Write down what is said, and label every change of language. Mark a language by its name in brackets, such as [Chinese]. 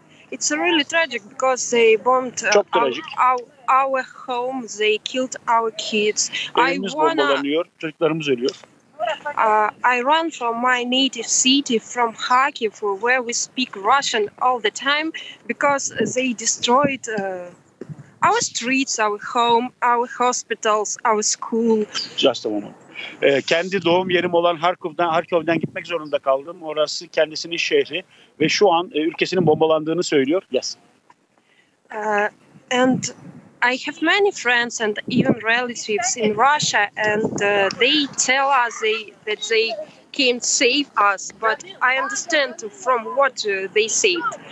[English] It's really tragic because they bombed our home. They killed our kids. [Turkish] Evimiz bombalanıyor, çocuklarımız ölüyor. [English] I run from my native city, from Kharkiv, where we speak Russian all the time, because they destroyed our streets, our home, our hospitals, our school. Just a moment. [Turkish] Kendi doğum yerim olan Harkov'dan gitmek zorunda kaldım. Orası kendisinin şehri ve şu an ülkesinin bombalandığını söylüyor. [English] Yes. And I have many friends and even relatives in Russia, and they tell us that they can save us, but I understand from what they said.